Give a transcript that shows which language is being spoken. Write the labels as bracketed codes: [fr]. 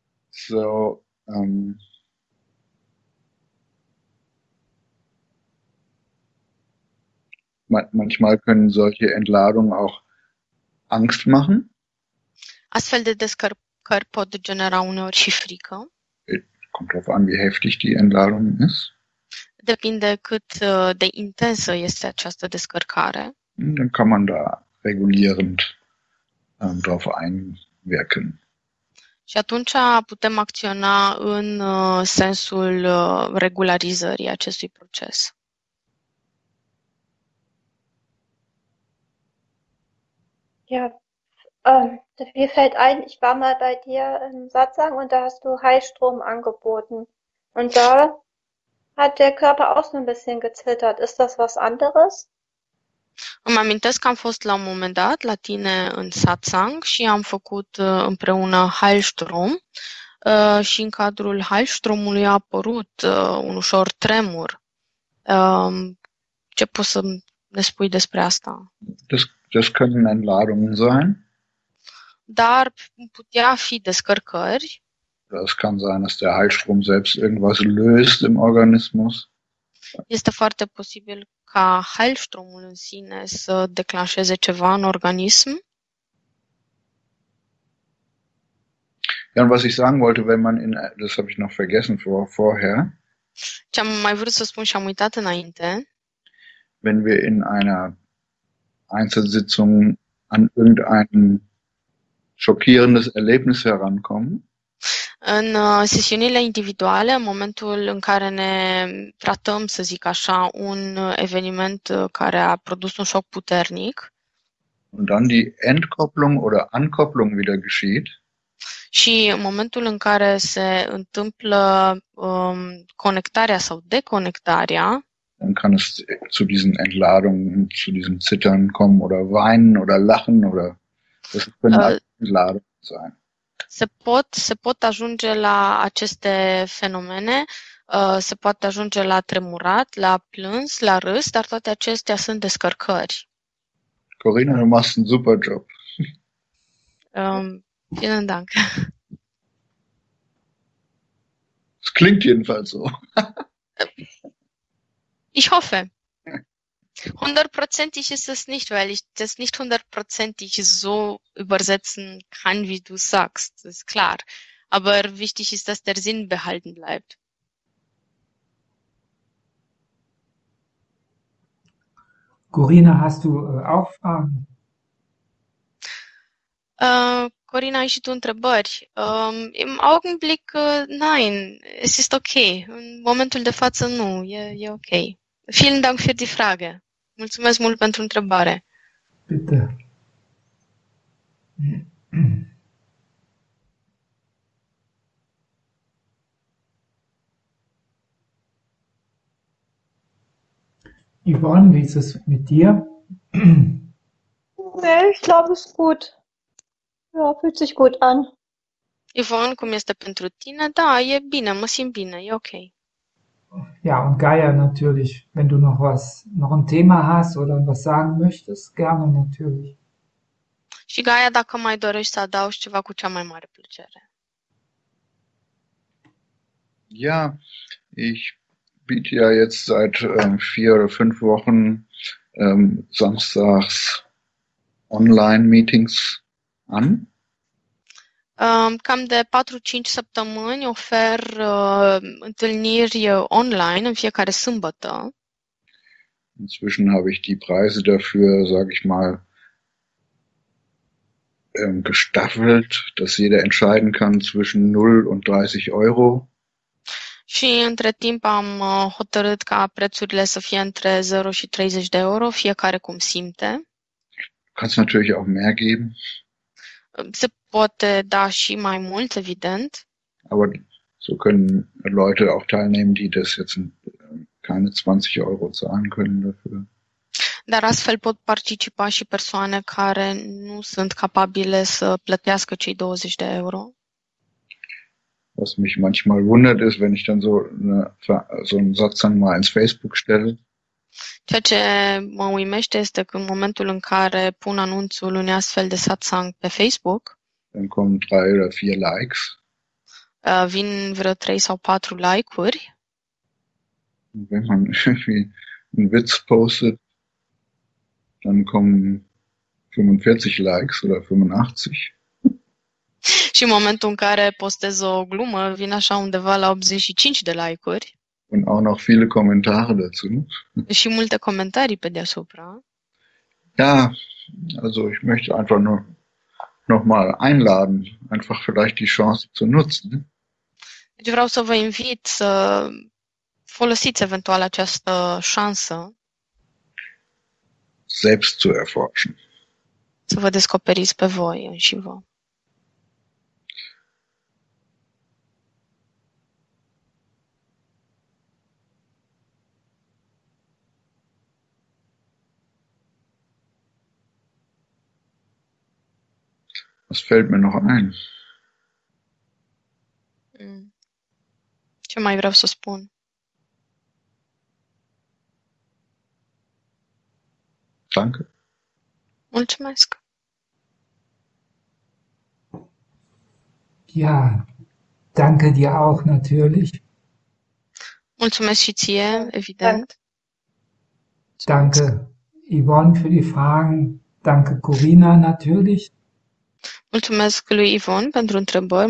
[de] So, manchmal können solche Entladungen auch Angst machen. [ro] Astfel de descărcări pot genera uneori și frică. [de] Kommt darauf an, wie heftig die Entladung ist. [ro] Depinde cât de intensă este această descărcare. [de] Dann kann man da regulierend darauf einwirken. [ro] Și atunci putem acționa în sensul regularizării acestui proces. [de] Ja. Mir fällt ein, ich war mal bei dir im Satsang und da hast du Heilstrom angeboten. Und da hat der Körper auch so ein bisschen gezittert. Ist das was anderes? [ro] Îmi amintesc că am fost la un moment dat la tine în Satsang și am făcut împreună Heilstrom. Și în cadrul Heilstromului a apărut un ușor tremur. Ce poți să ne spui despre asta? [de] Das können Entladungen sein. [ro] Dar putea fi descărcări. [de] Das kann sein, dass der Heilstrom selbst irgendwas löst im Organismus. [ro] Este foarte posibil ca Heilstromul în sine să declanșeze ceva în organism. [de] Ja, und was ich sagen wollte, wenn man in, das habe ich noch vergessen vorher. [ro] Ce am mai vrut să spun și am uitat înainte. [de] Wenn wir in einer Einzelsitzung an irgendeinen schockierendes Erlebnis herankommen. [ro] În sesiunile individuale, în momentul în care ne tratăm, să zic așa, un eveniment care a produs un șoc puternic. [de] Und dann die Entkopplung oder Ankopplung wieder geschieht. [ro] Și în momentul în care se întâmplă conectarea sau deconectarea, [de] dann kann es zu diesen Entladungen, zu diesem Zittern kommen oder weinen oder lachen oder das können Entladung sein. [ro] Se pot ajunge la aceste fenomene, se poate ajunge la tremurat, la plâns, la râs, dar toate acestea sunt descărcări. [de] Corina, du machst einen super job. Vielen Dank. Es klingt jedenfalls so. Ich hoffe. Hundertprozentig ist es nicht, weil ich das nicht hundertprozentig so übersetzen kann, wie du sagst, das ist klar. Aber wichtig ist, dass der Sinn behalten bleibt. Corina, hast du auch Fragen? [ro] Corina, ai și tu întrebări? În [de] augenblick, nein, es ist okay. [ro] În momentul de față, nu, e ok. [de] Vielen Dank für die Frage. [ro] Mulțumesc mult pentru întrebare. [de] Bitte. Yvonne, wie ist es mit dir? Nee, ich glaube, es ist gut. Ja, fühlt sich gut an. [ro] Yvonne, cum este pentru tine? Da, e bine, mă simt bine, e ok. [de] Ja, und Gaia natürlich, wenn du noch was, noch ein Thema hast oder was sagen möchtest, gerne natürlich. [ro] Și Gaia, dacă mai dorești să adaugi ceva, cu cea mai mare plăcere. [de] Ja, ich biete ja jetzt seit 4 oder 5 Wochen samstags Online-Meetings an. [ro] Cam de 4-5 săptămâni ofer întâlniri online în fiecare sâmbătă. [de] Inzwischen habe ich die Preise dafür, sage ich mal, gestaffelt, dass jeder entscheiden kann zwischen 0 und 30 Euro. [ro] Și între timp am hotărât ca prețurile să fie între 0 și 30 de euro, fiecare cum simte. [de] Kannst natürlich auch mehr geben. [ro] Se poate da și mai mult, evident. [de] Aber so können Leute auch teilnehmen, die das jetzt keine 20 Euro zahlen können dafür. [ro] Dar astfel pot participa și persoane care nu sunt capabile să plătească cei 20 de euro. [de] Was mich manchmal wundert, ist, wenn ich dann so einen Satz dann mal ins Facebook stelle. [ro] Ceea ce mă uimește este că în momentul în care pun anunțul unui astfel de satsang pe Facebook, [de] Dann kommen 3 oder 4 Likes. [ro] vin vreo 3 sau 4 like-uri. [de] Und wenn man irgendwie einen Witz postet, dann kommen 45 Likes oder 85. [ro] Și în momentul în care postez o glumă, vin așa undeva la 85 de like-uri. [de] Und auch noch viele Kommentare dazu. [ro] Și multe comentarii pe deasupra. [de] Ja, also ich möchte einfach nur noch mal einladen, einfach vielleicht die Chance zu nutzen. [ro] Deci vreau să vă invit să folosiți eventual această șansă [de] Selbst zu erforschen. [ro] să vă descoperiți pe voi înși vă. [de] Was fällt mir noch ein? [ro] Ce mai vreau să spun? [de] Danke. [ro] Mulțumesc. [de] Ja, danke dir auch natürlich. [ro] Mulțumesc și ție, [de] Danke. [ro] evident. Mulțumesc. [de] Danke, Yvonne, für die Fragen. Danke, Corina, natürlich. [ro] Mulțumesc lui Ivon pentru întrebări.